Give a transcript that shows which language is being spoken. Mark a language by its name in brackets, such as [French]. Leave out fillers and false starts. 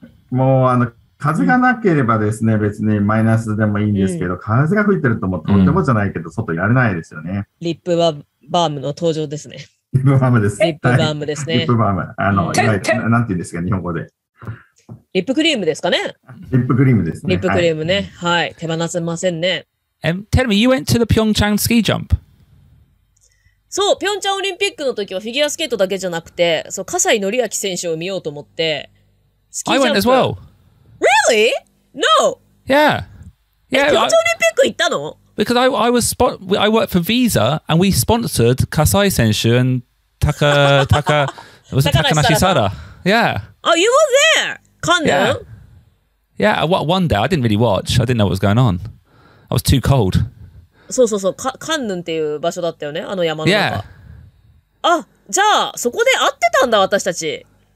[Japanese] もう風がなければですね、うん、別にマイナスでもいいんですけど、うん、風が吹いてるともとんでもじゃないけど、うん、外やれないですよね。リップバームの登場ですね。リップバームです。リップバームですね。リップバーム。いわゆる、なんて言うんですか、日本語で。リップクリームですかね。リップクリームですね。リップクリームね。はい。はい、手放せませんね。 [English] Tell me, you went to the Pyeongchang ski jump. [Japanese] そう、Pyeongchang オリンピックの時はフィギュアスケートだけじゃなくて、そう、葛西紀明選手を見ようと思って、スキージャンプ。 [English] I went as well. Really? No. Yeah. Yeah. Did you go to the Olympics? Because I worked for Visa and we sponsored Kasai Senshu and Taka was it Takanashi Sara? Yeah. Oh, you were there, Kondo. Yeah. Yeah. One day, I didn't really watch. I didn't know what was going on. I was too cold. [Japanese] そうそうそう、カンヌンっていう場所だったよね、あの山の中。 [English] Yeah. [Japanese] あ、じゃあそこで会ってたんだ私たち。